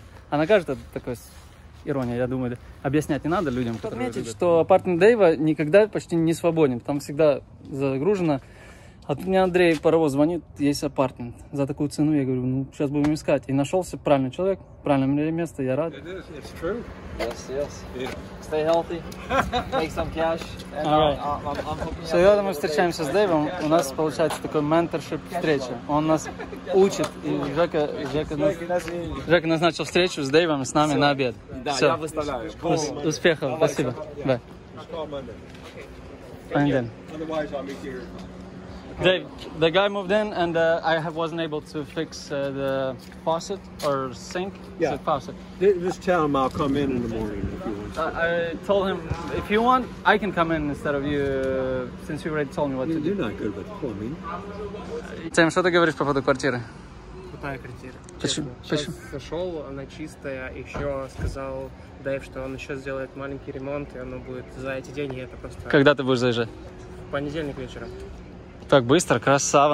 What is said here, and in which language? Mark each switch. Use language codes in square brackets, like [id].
[ru] А накажет — это такая ирония. Я думаю, объяснять не надо людям, которые любят. Подметить, что апартмент Дэйва никогда почти не свободен. Там всегда загружено. А тут мне Андрей Паровоз звонит, есть апартмент. За такую цену, я говорю, ну, сейчас будем искать. И нашелся правильный человек, правильное место, я рад. [en] It is, it's true. Yes, yes. Yeah. Stay healthy, make some cash. All right. [ru] So, я думаю, встречаемся с Дэйвом, у нас получается такой менторшип встреча. Он нас учит, и Жека назначил встречу с Дэйвом с нами на обед. Да, я выставляю. Успехов, спасибо. [en] Bye. [ru] Понедельник. [en] Dave, the guy moved in and I wasn't able to fix the faucet or sink. Yeah. It's a faucet. Just tell him I'll come in the morning if you want. I told him if you want, I can come in instead of you, since you already told me what to do. You're not good with plumbing. [ru] Tim, что ты говоришь по поводу квартиры? Крутая квартира. Почему? Сейчас зашел, она чистая, еще сказал Дэйв, что он еще сделает маленький ремонт, и оно будет за эти деньги, это просто... Когда ты будешь заезжать? В понедельник вечером. Так быстро, красава.